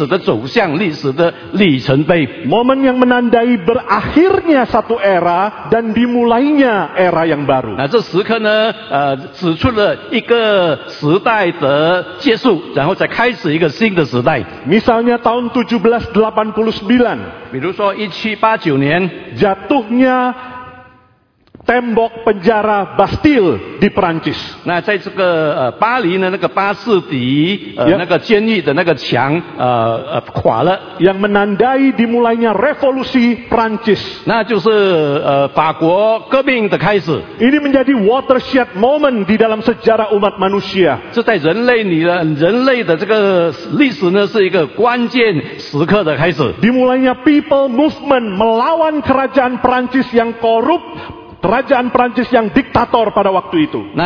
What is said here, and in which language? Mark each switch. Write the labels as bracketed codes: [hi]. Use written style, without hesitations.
[zh] 这个关键时期呢，它就奠定了这个历史的走向，历史的里程碑. [id] Momen yang menandai berakhirnya satu era dan dimulainya era yang baru. [zh] 那这时刻呢，指出了一个时代。结束，然后再开始一个新的时代。 [id] Misalnya tahun 1789， [zh] 比如说 1789年， [id] jatuhnya tembok penjara Bastille di Perancis。 [zh] 那在这个巴黎的那个巴士底，那个监狱的那个墙垮了。 [id] Yang menandai dimulainya revolusi Perancis。 [zh] 那就是法国革命的开始。 [id] Ini menjadi watershed moment di dalam sejarah umat manusia。 [zh] 这在人类的这个历史呢，是一个关键时刻的开始。 [id] Dimulainya people movement melawan kerajaan Perancis yang korup。 Kerajaan Perancis yang diktator pada waktu itu.